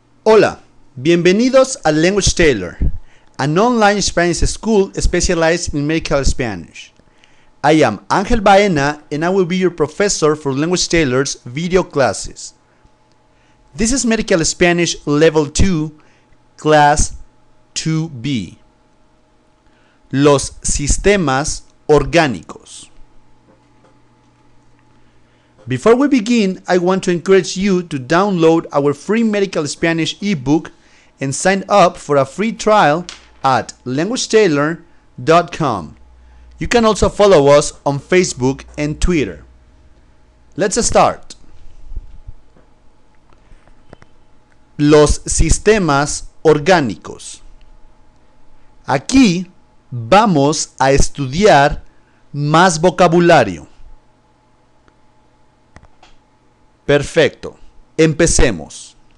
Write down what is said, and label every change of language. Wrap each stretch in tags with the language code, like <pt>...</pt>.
<es>Hola, bienvenidos a</es> <en>Language Tailor, an online Spanish school specialized in medical Spanish. I am Ángel Baena and I will be your professor for Language Tailor's video classes. This is Medical Spanish Level 2, Class 2B.</en> <es>Los sistemas orgánicos.</es> <en>Before we begin, I want to encourage you to download our free Medical Spanish ebook and sign up for a free trial at languagetailor.com. You can also follow us on Facebook and Twitter. Let's start.</en> <es>Los sistemas orgánicos. Aquí vamos a estudiar más vocabulario. Perfecto, empecemos.</es>